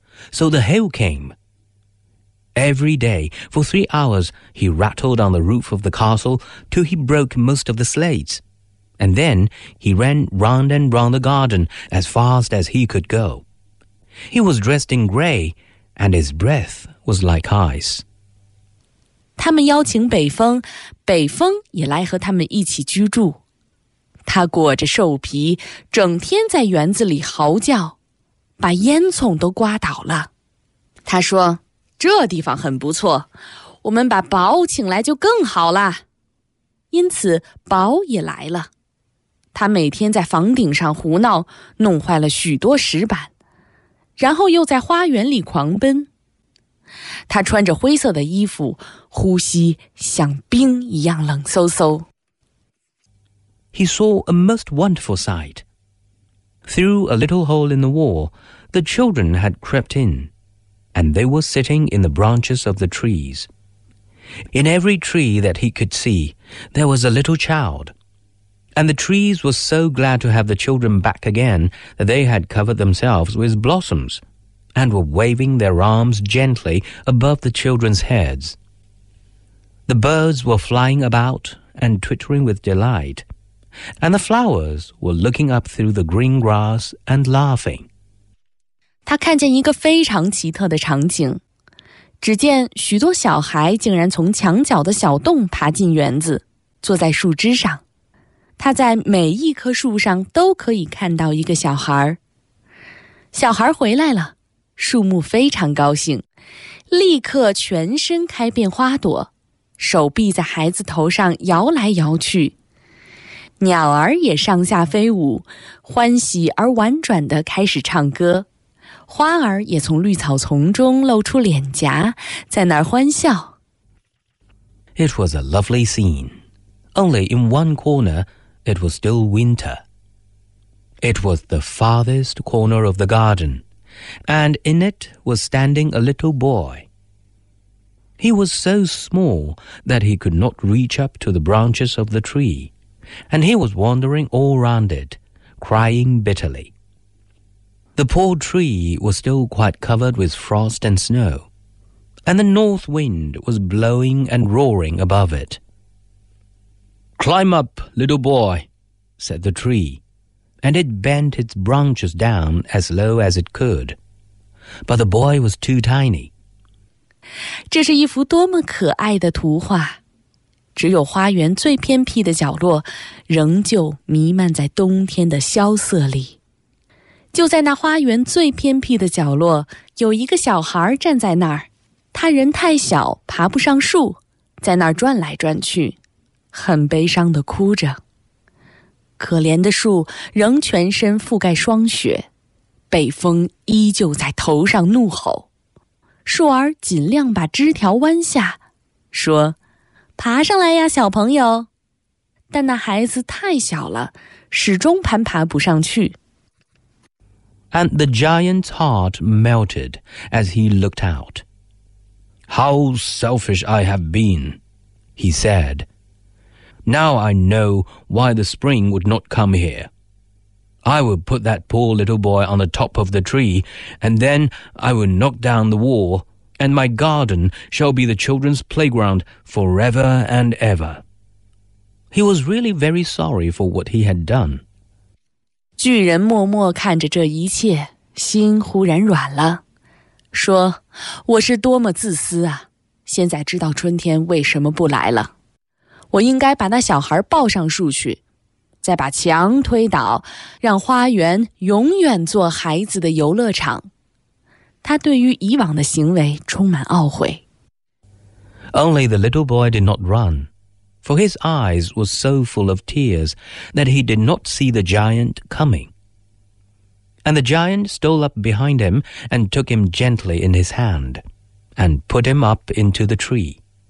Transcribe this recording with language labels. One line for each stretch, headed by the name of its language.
English: So the hail came. Every day, for 3 hours, he rattled on the roof of the castle till he broke most of the slates. And then he ran round and round the garden as fast as he could go. He was dressed in grey, and his breath was like ice.
Chinese: 他们邀请北风，北风也来和他们一起居住。他裹着兽皮，整天在园子里嚎叫，把烟囱都刮倒了。他说，这地方很不错，我们把宝请来就更好了。因此宝也来了，他每天在房顶上胡闹，弄坏了许多石板，然后又在花园里狂奔。他穿着灰色的衣服，呼吸像冰一样冷飕飕。
English: He saw a most wonderful sight. Through a little hole in the wall, the children had crept in.And they were sitting in the branches of the trees. In every tree that he could see, there was a little child. And the trees were so glad to have the children back again that they had covered themselves with blossoms and were waving their arms gently above the children's heads. The birds were flying about and twittering with delight, and the flowers were looking up through the green grass and laughing.
Chinese: 他看见一个非常奇特的场景，只见许多小孩竟然从墙角的小洞爬进园子，坐在树枝上。他在每一棵树上都可以看到一个小孩。小孩回来了，树木非常高兴，立刻全身开遍花朵，手臂在孩子头上摇来摇去，鸟儿也上下飞舞，欢喜而婉转地开始唱歌，花儿也从绿草丛中露出脸颊，在那儿欢笑。
English: It was a lovely scene. Only in one corner, it was still winter. It was the farthest corner of the garden, and in it was standing a little boy. He was so small that he could not reach up to the branches of the tree, and he was wandering all round it, crying bitterly. The poor tree was still quite covered with frost and snow, and the north wind was blowing and roaring above it. "Climb up, little boy," said the tree, and it bent its branches down as low as it could. But the boy was too tiny.
Chinese: 这是一幅多么可爱的图画！只有花园最偏僻的角落，仍旧弥漫在冬天的萧瑟里。就在那花园最偏僻的角落，有一个小孩站在那儿，他人太小，爬不上树，在那儿转来转去，很悲伤地哭着。可怜的树仍全身覆盖霜雪，北风依旧在头上怒吼。树儿尽量把枝条弯下，说：爬上来呀，小朋友。但那孩子太小了，始终攀爬不上去。
English: And the giant's heart melted as he looked out. "How selfish I have been," he said. "Now I know why the spring would not come here. I will put that poor little boy on the top of the tree, and then I will knock down the wall, and my garden shall be the children's playground forever and ever." He was really very sorry for what he had done.
Chinese: 巨人默默看着这一切，心忽然软了，说：我是多么自私啊，现在知道春天为什么不来了。我应该把那小孩抱上树去，再把墙推倒，让花园永远做孩子的游乐场。他对于以往的行为充满懊悔。
English: Only the little boy did not run. For his eyes were so full of tears that he did not see the giant coming. And the giant stole up behind him and took him gently in his hand and put him up into the tree.